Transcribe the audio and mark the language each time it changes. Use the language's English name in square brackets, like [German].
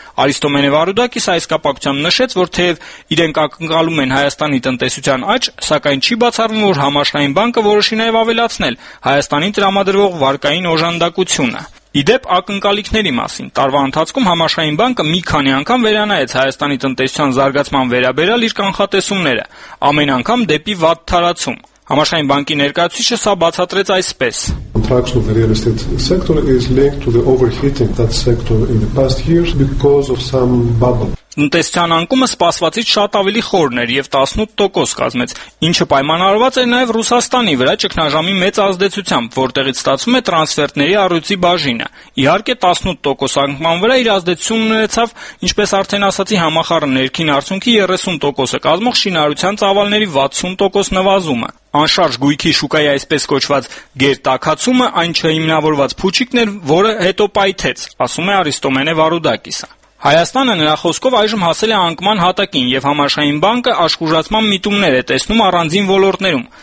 [Armenian] Արիստո Մենևարուդակիս այս կապակցությամբ նշեց, որ թեև իրենք ակնկալում են Հայաստանի տնտեսության աճ, սակայն չի բացառվում, որ Համաշխարհային բանկը որոշի նաև ավելացնել Հայաստանի տրամադրվող վարկային օժանդակությունը։ Իդեպ ակնկալիքների մասին, տարվա ընթացքում Համաշխարհային բանկը մի քանի անգամ վերանայեց Հայաստանի տնտեսության զարգացման վերաբերյալ իր կանխատեսումները, ամեն անգամ դեպի վատ տարածում։ Համաշխարհային բանկի ներկայացուցիչը սա բացատրեց այսպես. [English] Contraction of the real estate sector is linked to the overheating that sector in the past years because of some bubble. [Armenian] Տնտեսության անկումը սպասվածից շատ ավելի խորն էր և 18% կազմեց, ինչը պայմանավորված է նաև Ռուսաստանի վրա ճգնաժամի մեծ ազդեցությամբ, որտեղից ստացվում է տրանսֆերտների առյուծի բաժինը։ Իհարկե 18% անկման վրա իր ազդեցությունն ունեցավ, ինչպես արդեն ասացի, համախառն ներքին արդյունքի 30% կազմող շինարարության ծավալների 60% նվազումը։ Անշարժ գույքի շուկայի այսպես կոչված գերտակացումը այն չհիմնավորված փուչիկն էր, որը հետո պայթեց, ասում է Արիստո Մենևարուդակիսը։ Հայաստանը նրա խոսքով այժմ հասել է անկման հատակին և Համաշխարհային բանկը աշխուժացման միտումներ է տեսնում առանձին ոլորտներում։